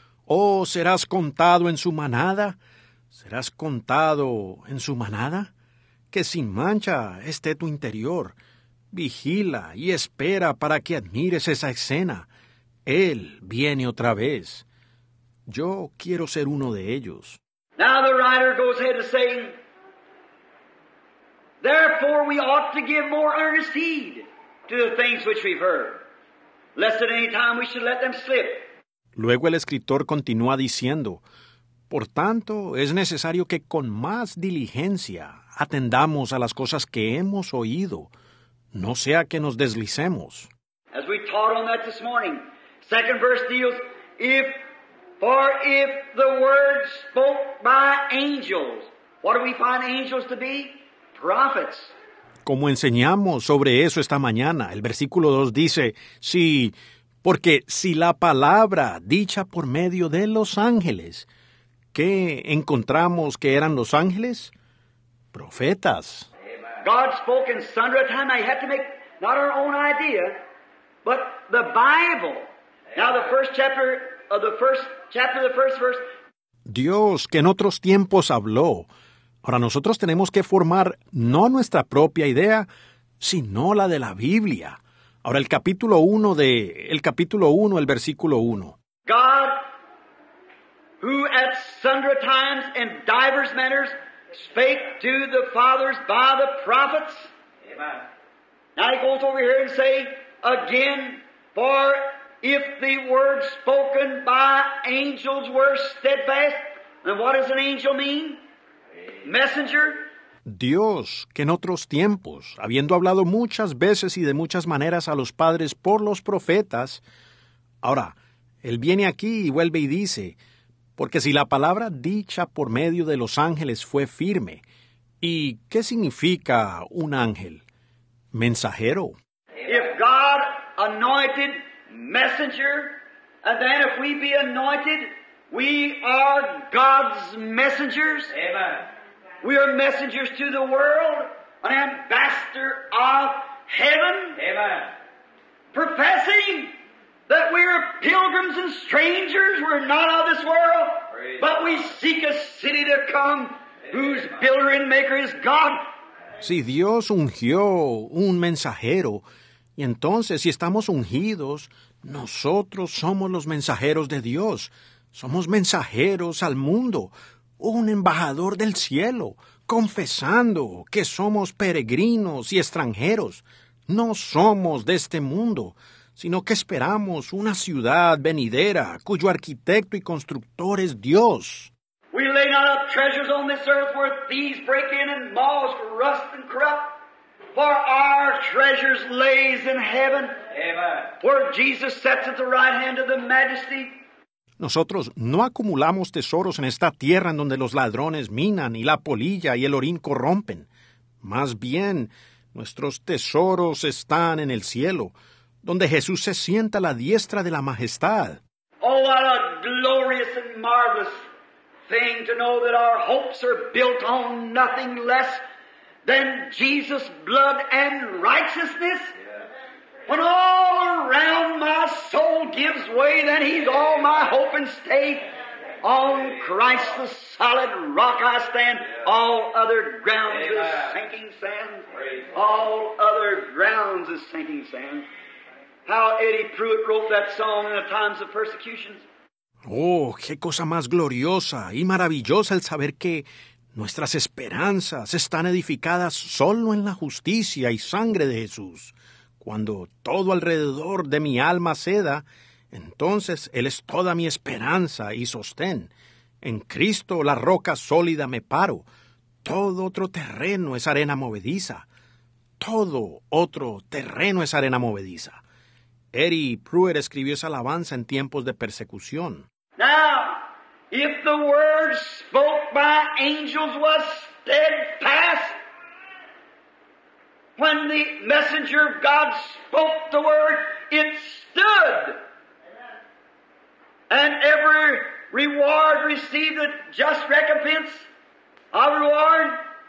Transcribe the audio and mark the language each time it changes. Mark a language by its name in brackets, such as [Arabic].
[Spanish] Oh, ¿serás contado en su manada? ¿Serás contado en su manada? que sin mancha esté tu interior. Vigila y espera para que admires esa escena. Él viene otra vez. Yo quiero ser uno de ellos. [English] Now the writer goes ahead to say, therefore we ought to give more earnest heed to the things which we've heard, lest at any time we should let them slip. [Spanish] Luego el escritor continúa diciendo, por tanto, es necesario que con más diligencia atendamos a las cosas que hemos oído, no sea que nos deslicemos. [English] As we taught on that this morning, second verse deals, if the word spoke by angels, what do we find angels to be? Prophets. [Spanish] Como enseñamos sobre eso esta mañana, el versículo 2 dice, sí, porque si la palabra dicha por medio de los ángeles, ¿qué encontramos que eran los ángeles? Profetas. [English] God spoke in sundry time. I have to make not our own idea, but the Bible. Now the first chapter of the first chapter of the first verse. [Spanish] Dios que en otros tiempos habló. Ahora nosotros tenemos que formar no nuestra propia idea, sino la de la Biblia. Ahora el capítulo 1 de el capítulo 1, el versículo 1. [English] God who at sundry times and divers manners spake to the fathers by the prophets. Amen. Now he goes over here and say again, for if the words spoken by angels were steadfast, then what does an angel mean? Messenger. [Spanish] Dios, que en otros tiempos, habiendo hablado muchas veces y de muchas maneras a los padres por los profetas, ahora, él viene aquí y vuelve y dice, porque si la palabra dicha por medio de los ángeles fue firme, ¿y qué significa un ángel? Mensajero. [English] If God anointed messenger, and then if we be anointed, we are God's messengers. Amen. We are messengers to the world, an ambassador of heaven. Amen. Professing that we are pilgrims and strangers, we're not of this world, but we seek a city to come whose builder and maker is God. [Spanish] Si Dios ungió un mensajero, y entonces si estamos ungidos, nosotros somos los mensajeros de Dios. Somos mensajeros al mundo, un embajador del cielo, confesando que somos peregrinos y extranjeros. No somos de este mundo, sino que esperamos una ciudad venidera cuyo arquitecto y constructor es Dios. [English] We lay not up treasures on this earth where thieves break in and moths rust and corrupt. For our treasures lays in heaven. Amen. Where Jesus sits at the right hand of the majesty. [Spanish] Nosotros no acumulamos tesoros en esta tierra en donde los ladrones minan y la polilla y el orín corrompen. Más bien, nuestros tesoros están en el cielo, donde Jesús se sienta a la diestra de la majestad. [English] Oh, what a glorious and marvelous thing to know that our hopes are built on nothing less than Jesus' blood and righteousness. Yeah. When all around my soul gives way, then he's all my hope and stay. On Christ the solid rock I stand. All other grounds is sinking sand. All other grounds is sinking sand. How Eddie Pruitt wrote that song in the times of persecutions. [Spanish] Oh, qué cosa más gloriosa y maravillosa el saber que nuestras esperanzas están edificadas solo en la justicia y sangre de Jesús. Cuando todo alrededor de mi alma ceda, entonces Él es toda mi esperanza y sostén. En Cristo la roca sólida me paro. Todo otro terreno es arena movediza. Todo otro terreno es arena movediza. Eddie Pruitt escribió esa alabanza en tiempos de persecución. [English] Now, if the word spoke by angels was steadfast, when the messenger of God spoke the word, it stood. And every reward received a just recompense, our reward.